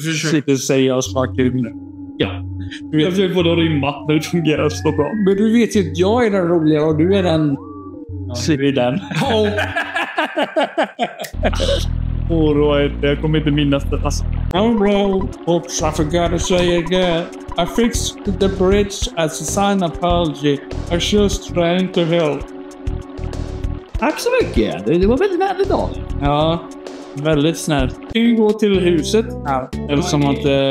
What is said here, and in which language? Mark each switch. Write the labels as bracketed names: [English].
[Swedish] Slippa säga oss fucking nu. Ja. Jag försöker få det att rimma, men det fungerar så bra. Men du vet ju att jag är den roliga och du är den... Ja, du är den. Oroa inte, jag kommer inte minnas det. [English] Oh bro, oops, I forgot to say again. I fixed the bridge as a sign of apology. I just trying to help. [Swedish] Tack så mycket, det var väldigt vänligt då. Ja, väldigt snällt. Vi går till huset här, eftersom att...